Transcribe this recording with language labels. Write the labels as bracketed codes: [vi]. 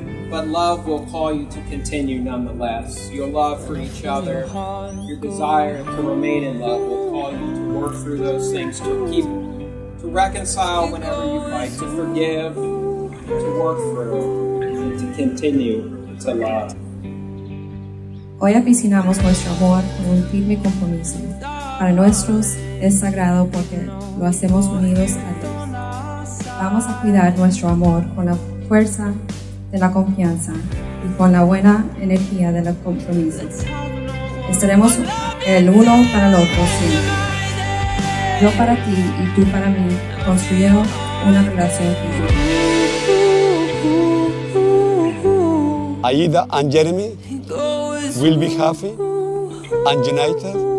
[en] But love will call you to continue nonetheless. Your love for each other, your desire to remain in love will call you to work through those things, to keep, to reconcile whenever you fight, to forgive, to work through, and to continue to love. [es] Hoy apisinamos nuestro amor con un firme compromiso. Para nosotros es sagrado porque lo hacemos unidos a Dios. Vamos a cuidar nuestro amor con la fuerza de la confianza y con la buena energía de los compromisos. Estaremos el uno para el otro siempre. Yo para ti y tú para mí construyendo una relación firme. [en] Aida and Jeremy will be happy and united.